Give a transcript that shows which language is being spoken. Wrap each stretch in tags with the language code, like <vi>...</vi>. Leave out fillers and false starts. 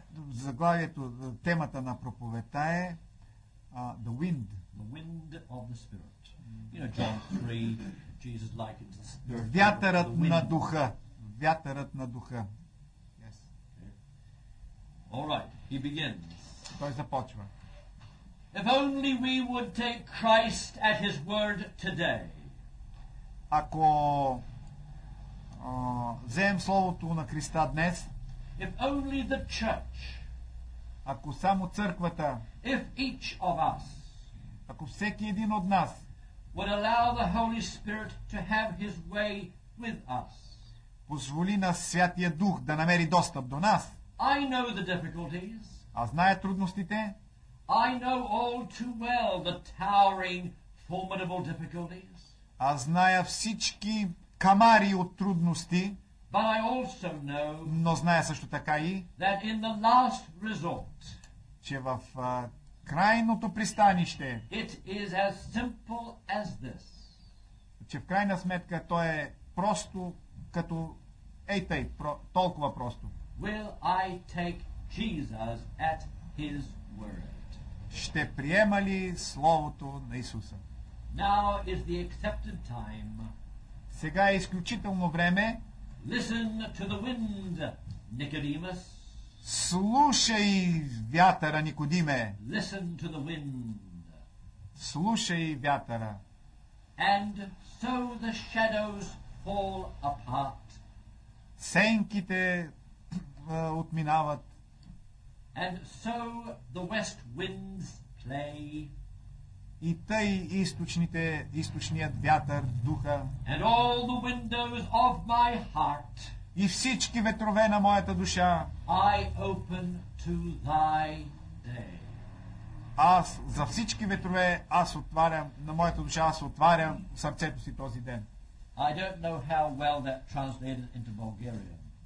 <bg>Заглавието, темата на проповедта е</bg> <en>The Wind. The Wind of the Spirit. You know, John 3, Jesus likened the Spirit.</en> <bg>Вятърът на духа. Вятърът на духа. Yes.</bg> <en>Okay. All right, he begins.</en> <bg>Той започва.</bg> <en>If only we would take Christ at his word today.</en> <bg>Ако вземем словото на Христа днес.</bg> <en>If only the church.</en> <bg>Ако само църквата.</bg> <en>If each of us.</en> <bg>Ако всеки един от нас.</bg> <en>Would allow the Holy Spirit to have his way with us.</en> <bg>Позволи на Святия Дух да намери достъп до нас.</bg> <en>I know the difficulties.</en> <bg>Аз зная трудностите.</bg> <en>I know all too well the towering, formidable difficulties.</en> <bg>Аз зная всички камари от трудности.</bg> <en>But I also know,</en> <bg>но зная също така и,</bg> <en>that in the last resort,</en> <bg>че в крайното пристанище,</bg> <en>it is as simple as this.</en> <bg>Че в крайна сметка то е просто като ей тъй, толкова просто.</bg> <en>Will I take Jesus at his word.</en> <bg>Ще приема ли словото на Исуса?</bg> <en>Now is the accepted time.</en> <bg>Сега е изключително време.</bg> <en>Listen to the wind, Nicodemus.</en> <bg>Слушай вятъра, Никодиме.</bg> <en>Listen to the wind.</en> <bg>Слушай вятъра.</bg> <en>And so the shadows fall apart.</en> <bg>Сенките отминават.</bg> <en>And so the west winds play.</en> <bg>И тъй източните, източният вятър, духа.</bg> <en>And all the windows of my heart.</en> <bg>И всички ветрове на моята душа.</bg> <en>I open to thy day.</en> <bg>Аз за всички ветрове аз отварям на моята душа, аз отварям сърцето си този ден.</bg> <en>I don't know how well that translated into Bulgarian.</en>